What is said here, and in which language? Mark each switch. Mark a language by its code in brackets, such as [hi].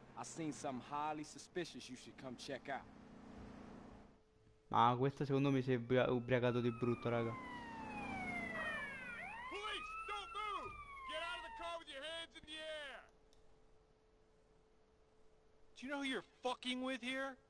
[en] I seen something highly suspicious you should come check out. [it] Ma questo secondo me si è ubriacato di brutto, raga. [en] Do you know who you're fucking with here?